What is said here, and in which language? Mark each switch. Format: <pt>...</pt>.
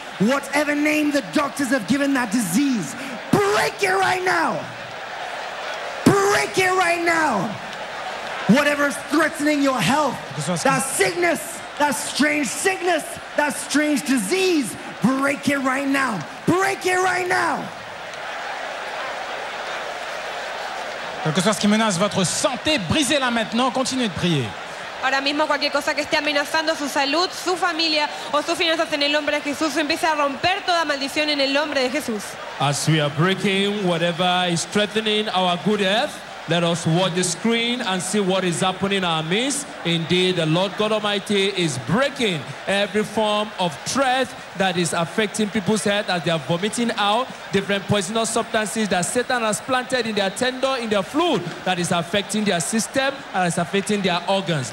<en>Whatever name the doctors have given that disease, break it right now. Break it right now. Whatever is threatening your health, that sickness, that strange sickness, that strange disease, break it right now. Break it right now.</en> <fr>Quelque chose qui menace votre santé, brisez-la maintenant. Continuez de prier.</fr> <es>Ahora mismo cualquier cosa que esté amenazando su salud, su familia o sus finanzas en el nombre de Jesús, empiece a romper toda maldición en el nombre de Jesús.</es> <en>As we are breaking whatever is threatening our good health, let us watch the screen and see what is happening in our midst. Indeed, the Lord God Almighty is breaking every form of threat that is affecting people's health as they are vomiting out different poisonous substances that Satan has planted in their tendon, in their fluid, that is affecting their system and is affecting their organs.</en>